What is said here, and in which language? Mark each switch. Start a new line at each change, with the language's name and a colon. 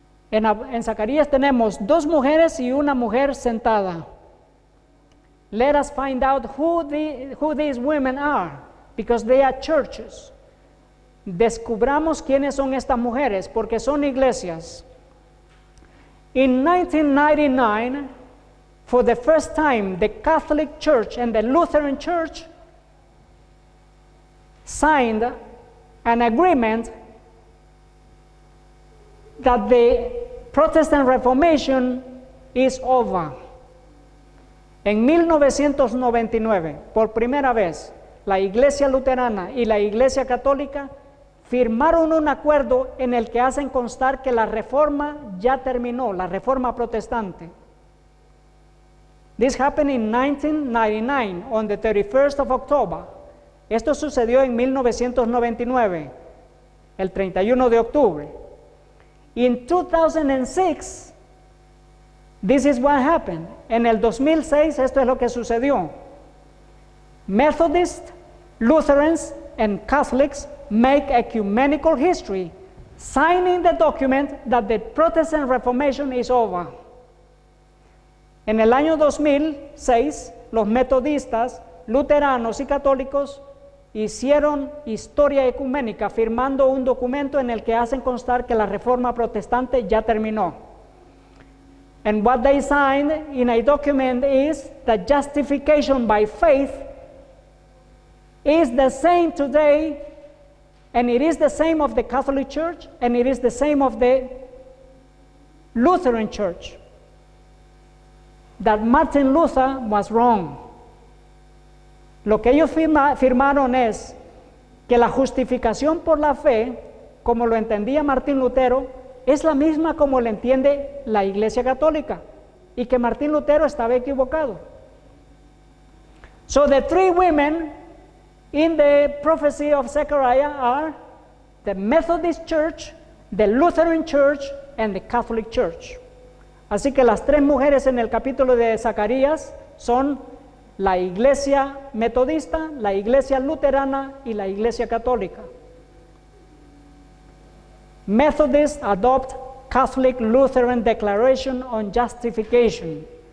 Spanish: En Zacarías tenemos dos mujeres y una mujer sentada.
English: Let us find out who these women are, because they are churches.
Spanish: Descubramos quiénes son estas mujeres, porque son iglesias.
English: In 1999, for the first time, the Catholic Church and the Lutheran Church signed an agreement that the Protestant Reformation is over.
Spanish: En 1999, por primera vez, la Iglesia Luterana y la Iglesia Católica firmaron un acuerdo en el que hacen constar que la Reforma ya terminó, la Reforma Protestante.
English: This happened in 1999, on the 31st of October.
Spanish: Esto sucedió en 1999, el 31 de octubre.
English: In 2006, this is what happened.
Spanish: En el 2006, esto es lo que sucedió.
English: Methodists, Lutherans, and Catholics make ecumenical history, signing the document that the Protestant Reformation is over.
Spanish: En el año 2006, los metodistas, luteranos y católicos hicieron historia ecuménica, firmando un documento en el que hacen constar que la Reforma Protestante ya terminó.
English: And what they signed in a document is that justification by faith is the same today, and it is the same of the Catholic Church, and it is the same of the Lutheran Church. That Martin Luther was wrong.
Spanish: Lo que ellos firmaron es que la justificación por la fe, como lo entendía Martín Lutero, es la misma como lo entiende la Iglesia Católica, y que Martín Lutero estaba equivocado.
English: So the three women in the prophecy of Zechariah are the Methodist Church, the Lutheran Church, and the Catholic Church.
Spanish: Así que las tres mujeres en el capítulo de Zacarías son la Iglesia Metodista, la Iglesia Luterana y la Iglesia Católica.
English: Methodists adopt Catholic Lutheran Declaration on Justification.